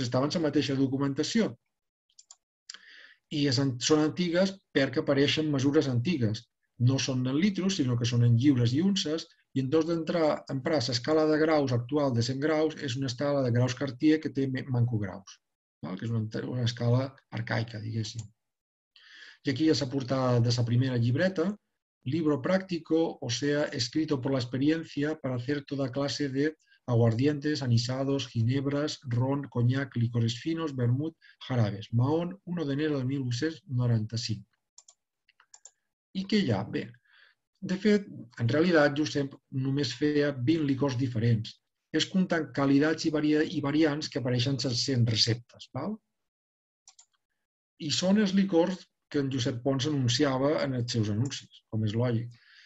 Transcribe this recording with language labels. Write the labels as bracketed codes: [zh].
[ca] Estava en la mateixa documentació. I són antigues perquè apareixen mesures antigues. No són en litros, sinó que són en lliures i unces, i en dos d'entrar a emprar l'escala de graus actual de 100 graus és una escala de graus Cartier que té manco graus, que és una escala arcaica, diguéssim. I aquí ja s'ha portat de la primera llibreta, [es] libro práctico, o sea, escrito por la experiencia para hacer toda clase de aguardientes, anisados, ginebras, ron, coñac, licores finos, vermut, jarabes. Mahón, 1 de enero de 1895. [ca] I què hi ha? Bé, de fet, en realitat, Josep només feia 20 licors diferents. És comptant qualitats i variants que apareixen en 100 receptes. Val? I són els licors que en Josep Pons anunciava en els seus anuncis, com és lògic.